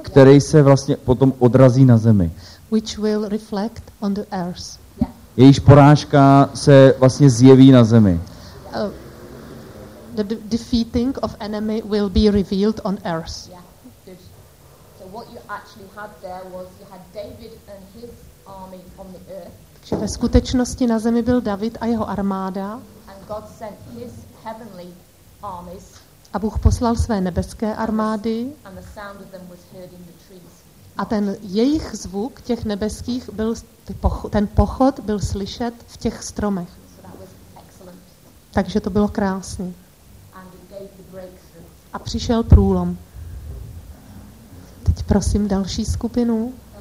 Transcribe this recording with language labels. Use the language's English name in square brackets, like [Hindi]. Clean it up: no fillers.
[Czech] který se vlastně potom odrazí na zemi. [English] Which will reflect on the earth. [Czech] Jejíž porážka se vlastně zjeví na zemi. [English] The defeating of enemy will be revealed on earth. So what you actually had there was you had David and his army on the earth. [Czech] Takže ve skutečnosti na zemi byl David a jeho armáda. [English] And God sent his heavenly armies. [Czech] A Bůh poslal své nebeské armády. [English] And the sound of them was heard in the trees. [Czech] A ten jejich zvuk, těch nebeských, byl ten pochod byl slyšet v těch stromech. Takže to bylo krásný. A přišel průlom. Teď prosím další skupinu.